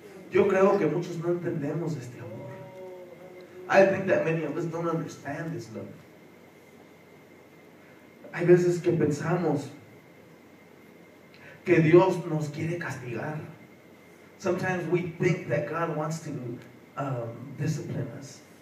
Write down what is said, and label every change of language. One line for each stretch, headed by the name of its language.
Spanish: Yo creo que muchos no entendemos este amor.
English: I think that many of us don't understand this love.
Spanish: Hay veces que pensamos que Dios nos quiere castigar.
English: Sometimes we think that God wants to discipline us.